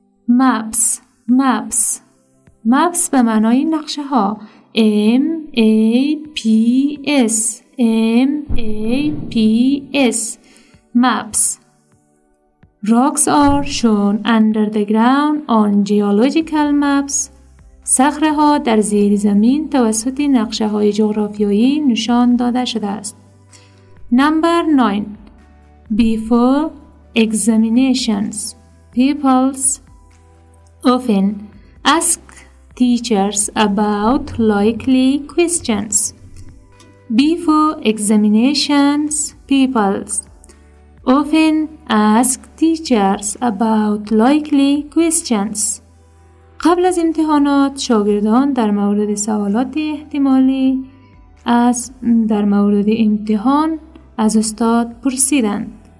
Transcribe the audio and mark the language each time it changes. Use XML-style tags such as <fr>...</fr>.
<en>maps maps maps</en> <fa>به معنای نقشه ها</fa> <en>M A P S M A P S maps Rocks are shown under the ground on geological maps.</en> <fa>صخره ها در زیر زمین توسط نقشه های جغرافیایی نشان داده شده است.</fa> <en>Number 9. Before examinations, peoples often ask teachers about likely questions. Before examinations, peoples often ask teachers about likely questions.</en> <fa>قبل از امتحانات شاگردان در مورد سوالات احتمالی از در مورد امتحان از استاد پرسیدند.</fa>